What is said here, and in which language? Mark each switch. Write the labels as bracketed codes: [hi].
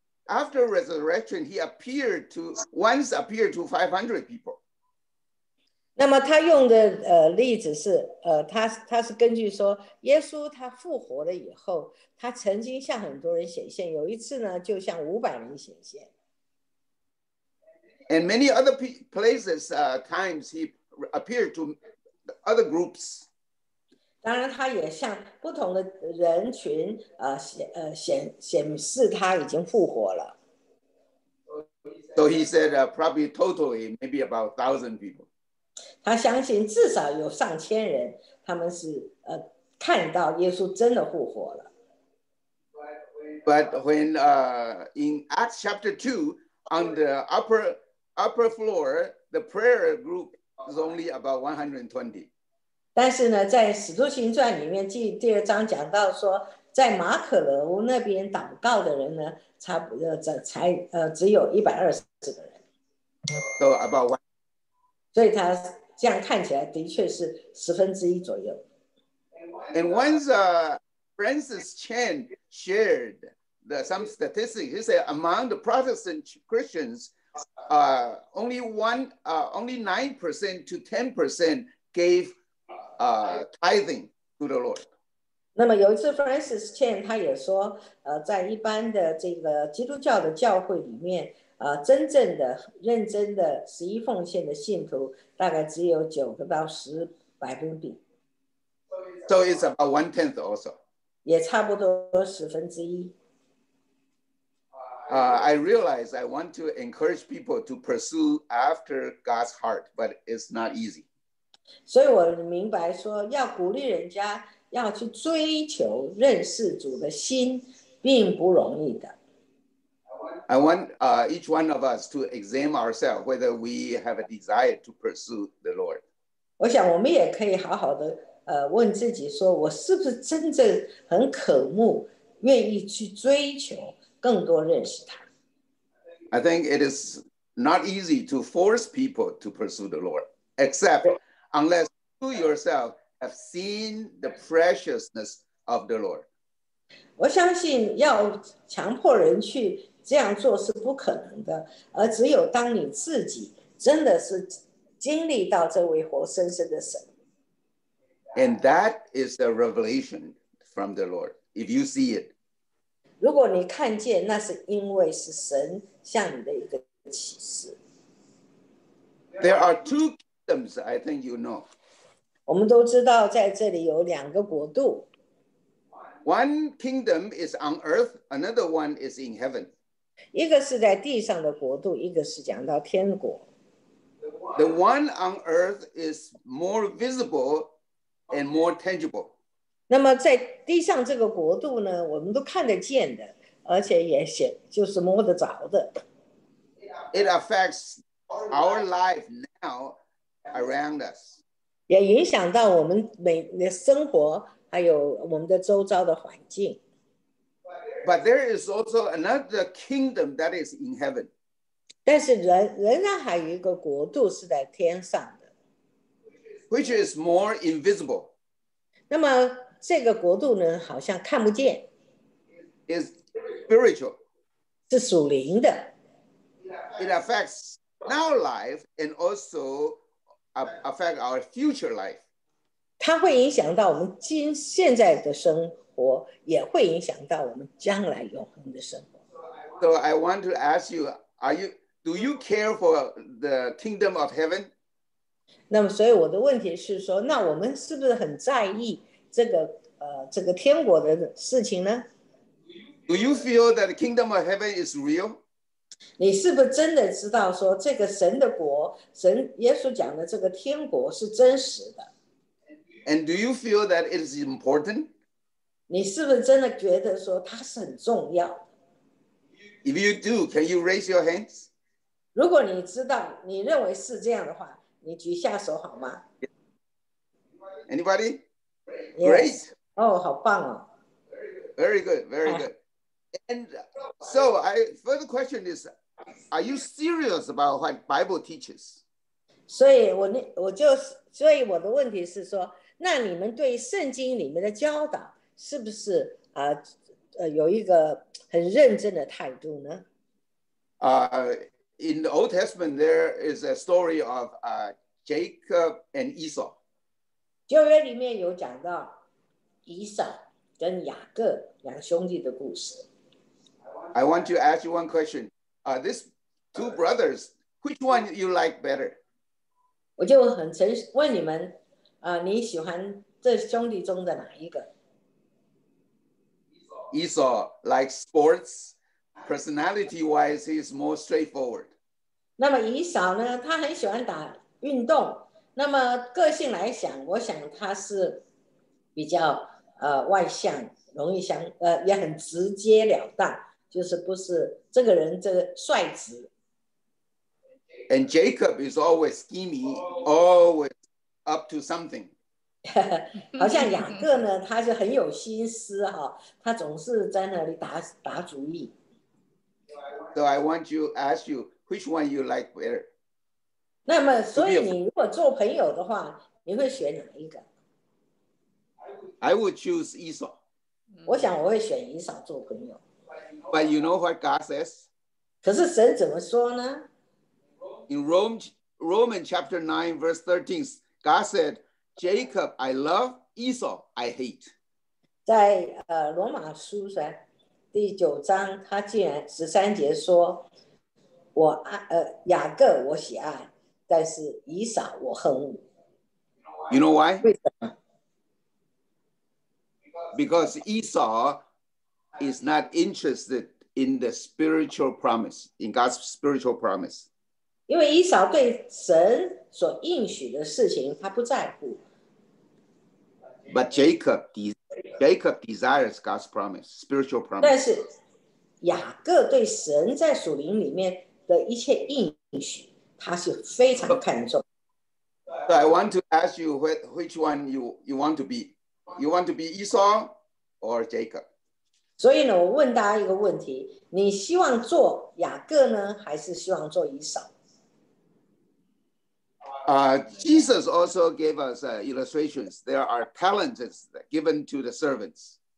[en] after resurrection, he appeared to, once appeared to 500 people. [zh] 那么他用的例子是他是根据说耶稣他复活了以后他曾经向很多人显现有一次呢就向500人显现。 [en] And many other places, times he appeared to other groups. [zh] 当然他也向不同的人群显示他已经复活了。 [en] So he said probably totally maybe about 1,000 people. [zh] 他相信至少有上千人他们是看到耶稣真的复活了。 [en] But when in Acts chapter 2, on the upper floor, the prayer group is only about 120. [zh] 但是呢在使徒行传里面第二章讲到说在马可楼那边祷告的人呢差不多只有120个人。 [en] So about 120. [zh] 所以他这样看起来的确是十分之一左右。 [en] And once Francis Chan shared some statistics, he said among the Protestant Christians, only 9% to 10% gave tithing to the Lord. [zh] 那么有一次 Francis Chan 他也说，在一般的这个基督教的教会里面。真正的认真的十一奉献的信徒大概只有9%到10%百分比。 [en] So it's about 1/10 also. [zh] 也差不多十分之一。 [en] I realize I want to encourage people to pursue after God's heart, but it's not easy. [zh] 所以我明白说要鼓励人家要去追求认识主的心并不容易的。 [en] I want each one of us to examine ourselves whether we have a desire to pursue the Lord. [zh] 我想我们也可以好好的问自己说我是不是真正很渴慕愿意去追求更多认识他。 [en] I think it is not easy to force people to pursue the Lord, except unless you yourself have seen the preciousness of the Lord. [zh] 我相信要强迫人去这样做是不可能的，而只有当你自己真的是经历到这位活生生的神。 [en] And that is the revelation from the Lord. If you see it, [zh] 如果你看见，那是因为是神向你的一个启示。 [en] There are two kingdoms, I think you know. [zh] 我们都知道在这里有两个国度。 [en] One kingdom is on earth, another one is in heaven. [zh] 一个是在地上的国度，一个是讲到天国。 [en] The one on earth is more visible and more tangible. [zh] 那么在地上这个国度呢，我们都看得见的，而且也显就是摸得着的。 [en] It affects our life now around us. [zh] 也影响到我们每的生活，还有我们的周遭的环境。 [en] But there is also another kingdom that is in heaven. [zh] 但是仍然还有一个国度是在天上的。 [en] Which is more invisible. [zh] 那么这个国度呢好像看不见。 [en] Is spiritual. [zh] 是属灵的。 [en] It affects now life and also affects our future life. [zh] 它会影响到我们现在的生活。也会影响到我们将来永恒的生活。 [en] So I want to ask you, do you care for the kingdom of heaven? [zh] 那么所以我的问题是说，那我们是不是很在意这个天国的事情呢？ [en] Do you feel that the kingdom of heaven is real? [zh] 你是不是真的知道说这个神的国，神耶稣讲的这个天国是真实的？ [en] And do you feel that it is important? [zh] 你是不是真的觉得说它是很重要的？ [en] If you do, can you raise your hands? [zh] 如果你知道，你认为是这样的话，你举下手好吗？ [en] Anybody? Great. Oh, [zh] 好棒哦。 [en] Very good, very good. And so, further question is, are you serious about what Bible teaches? [zh] 所以我的问题是说，那你们对圣经里面的教导是不是有一个很认真的态度呢？ [en] In the Old Testament, there is a story of Jacob and Esau. [zh] 旧约里面有讲到以扫跟雅各两兄弟的故事。 [en] I want to ask you one question. These two brothers, which one you like better? [zh] 我就很诚实问你们，你喜欢这兄弟中的哪一个？ [en] Esau likes sports. Personality-wise, he is more straightforward. [zh] 那么以扫呢？他很喜欢打运动。那么个性来讲，我想他是比较外向，容易想也很直接了当，就是不是这个人这个率直。 [en] And Jacob is always scheming, always up to something. [zh] 好像雅各呢，他就很有心思哈，他总是在那里打主意。 [en] So I want to ask you, which one you like better? [zh] 那么所以你如果做朋友的话你会选哪一个 [en] I would choose Esau [zh] 我想我会选以扫做朋友 [en] But you know what God says [zh] 可是神怎么说呢 [en] In Romans chapter 9 verse 13 God said Jacob I love Esau I hate [zh] 在罗马书第九章他竟然十三节说我雅各我喜爱但是以扫我恨恶。 [en] You know why? Because Esau is not interested in the spiritual promise, in God's spiritual promise. [zh] 因为以扫对神所应许的事情他不在乎。 [en] But Jacob desires God's promise, spiritual promise. [zh] 但是雅各对神在属灵里面的一切应许他是非常看重。 [en] So I want to ask you which one you want to be. You want to be Esau or Jacob? [zh] 所以呢，我问大家一个问题：你希望做雅各呢，还是希望做以扫？ [en] Jesus also gave us illustrations. There are talents given to the servants.